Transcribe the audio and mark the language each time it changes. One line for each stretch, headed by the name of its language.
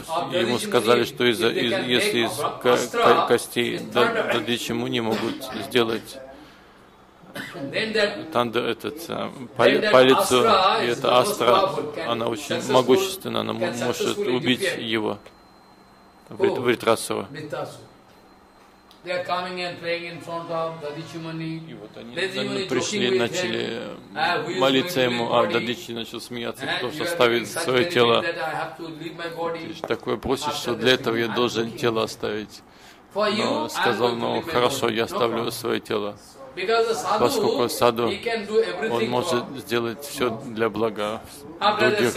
Russian: Ему сказали, что если из костей Дадичи Муни могут сделать тандер, этот палец, и эта астра, она очень могущественна, она может убить его, Вритрасура.
English: They are coming and praying in front of Dadichi Muni.
Russian: Они пришли, начали молиться ему, а Дадичи начал смеяться, кто составит свое тело. Ты же такое просишь, что для этого я должен тело оставить. Но сказал, ну хорошо, я оставлю свое тело. Поскольку саду, он может сделать все для блага других.